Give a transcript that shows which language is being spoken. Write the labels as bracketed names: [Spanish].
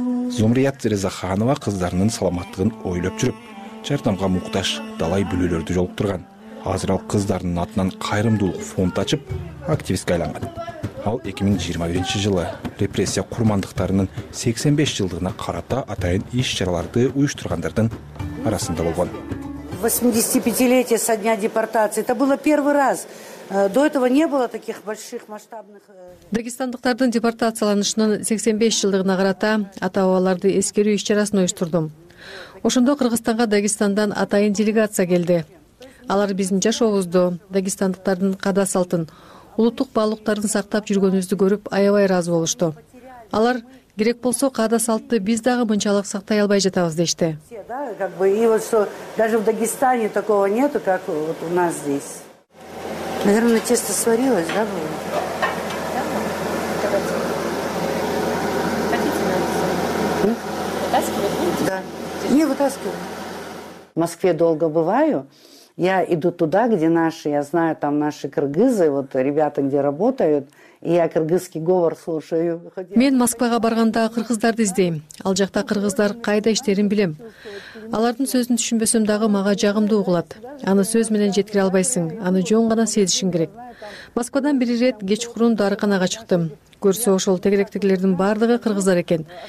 [Kyrgyz] Зумрият Резаханова кыздарынын саламаттыгын ойлоп жүрүп, жардамга муктаж далай бүлөлөрдү жолуктурган. Азыр ал кыздарынын атынан кайрымдуулук фонд ачып, активистке айланган. Ал 2021 жылы репрессия курмандыктарынын 85 жылдыгына карата атайын иш-чараларды уюштургандардын арасында болгон. [Russian] 85-летие со дня депортации. Это было первый раз. До этого не было таких больших масштабных. [Kyrgyz] Дагестандыктардын депортацияланышынын 85 жылдыгына карата ата-бабаларды эскерүү иш-чарасын уюштурдум. Ошондо Кыргызстанга Дагестандан атайын делегация келди. Алар биздин жашообузду, дагестандыктардын каада салтын, улуттук баалуулуктарды сактап жүргөнүбүздү көрүп аябай ыраазы болушту. Алар керек болсо каада салтты биз дагы мынчалык сактай албай жатабыз дешти. [Russian] И вот что даже в Дагестане такого нету, как вот у нас здесь. Наверное, тесто сварилось, да, было? Да, вытаскивать? Да. Не вытаскиваю. В Москве долго бываю. Я иду туда, где наши, я знаю, там наши кыргызы, вот ребята, где работают. Я кыргызский говор слушаю. [Kyrgyz] Мен Москвага барганда кыргыздарды издейм. Ал жакта кыргыздар кайда иштерин билем. Алардын сөзүн түшүнбөсөм дагы мага жагымдуу угулат. Аны сөз менен жеткире албайсың, аны жөн гана сезишиң керек. Москвадан бир ирет кечкурун дарыканага чыктым. Көрсө ошол тегеректегилердин баардыгы кыргыздар экен.